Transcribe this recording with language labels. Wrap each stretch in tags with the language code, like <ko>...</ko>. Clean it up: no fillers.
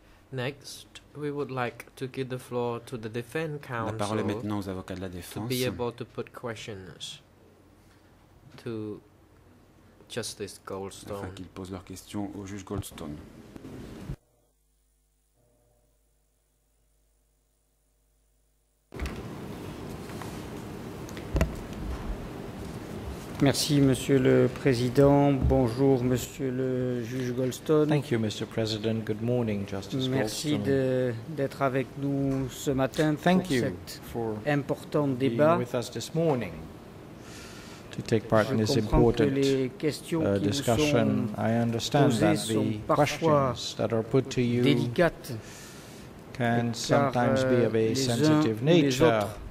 <en>Next, we would like to give the floor to the defense counsel.</en> <fr>La parole est maintenant aux avocats de la défense.</fr> <en>To be able to put questions to Justice Goldstone.</en> <fr>Afin qu'ils posent leurs questions au juge Goldstone. Good Merci, Monsieur le Président. Bonjour, Monsieur le Juge Goldstone.</fr> <en>Thank you, Mr. President. Good morning, Justice Goldstone.</en> <fr>Merci d'être avec nous ce matin pour cet important débat.</fr> <en>Thank you for being with us this morning to take part in this important discussion. I understand that the questions that are put to you can sometimes be of a sensitive nature</en>